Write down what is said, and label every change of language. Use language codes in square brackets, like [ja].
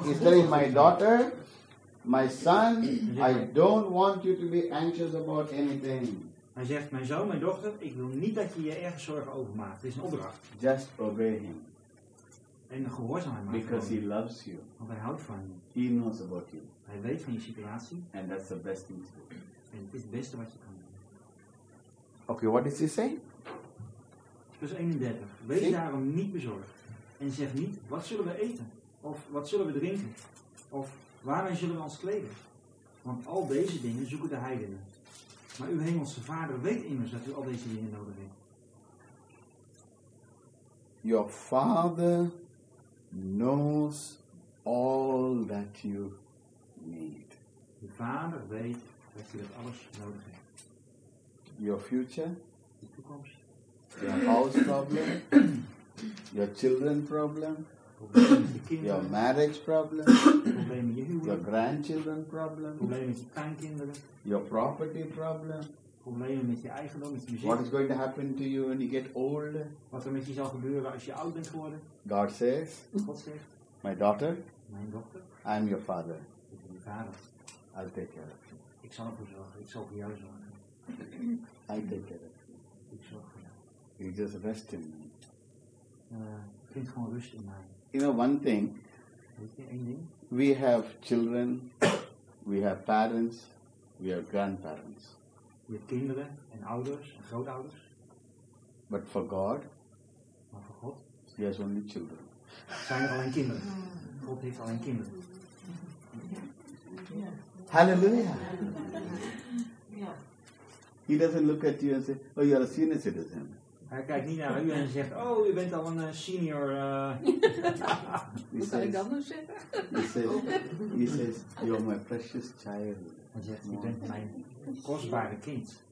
[en] He's telling my daughter, my son, I don't want you to be anxious about anything. [nl] Hij zegt, mijn zoon, mijn dochter, ik wil niet dat je je ergens zorgen over maakt. Het is een opdracht. [en] Just obey him. [nl] En gehoorzaam maken. [en] Because he loves you. [nl] Want hij houdt van je. [en] He knows about you. [nl] Hij weet van je situatie. [en] And that's the best thing to do. [nl] En het is het beste wat je kan doen. [en] Okay, what did he say? [nl] Vers 31. Wees See? Daarom niet bezorgd. En zeg niet, wat zullen we eten? Of wat zullen we drinken? Of waarin zullen we ons kleden? Want al deze dingen zoeken de heidenen. Maar uw hemelse vader weet immers dat u al deze dingen nodig heeft. [en] Your father knows all that you need. [nl] Uw vader weet dat u dat alles nodig heeft. [en] Your future. [nl] Uw toekomst. [en] Your house problem. your children problem, your marriage problem, your grandchildren problem, your property problem. [nl] Met je eigendom, met je muziek. [en] What is going to happen to you when you get old? [nl] Wat er met je zal gebeuren als je oud bent geworden? [en] God says, [nl] God zegt, [en] my daughter, [nl] mijn dochter, [en] I am your father. [nl] Ik ben je vader. [en] I'll take care of you. [nl] Ik zal voor zorgen, ik zal voor jou zorgen. [en] I'll take care of you. [nl] Ik zorg voor jou. [en] You just rest in me. [nl] Vind gewoon rust in mij. [en] You know one thing, [nl] weet je één ding? [en] We have children, we have parents, we have grandparents. [nl] Je hebt kinderen en ouders en grootouders. [en] But for God, [nl] maar voor God, [en] he has only children. [nl] Zijn er alleen kinderen? God heeft alleen kinderen. [en] Yeah. Hallelujah. Yeah. He doesn't look at you and say, oh, you're a senior citizen. [nl] Hij kijkt niet naar u en zegt, oh, u bent al een senior. Hoe zal ik dat nou zeggen? [en] He says, you're my precious child. [nl] Hij zegt, u bent mijn kostbare kind.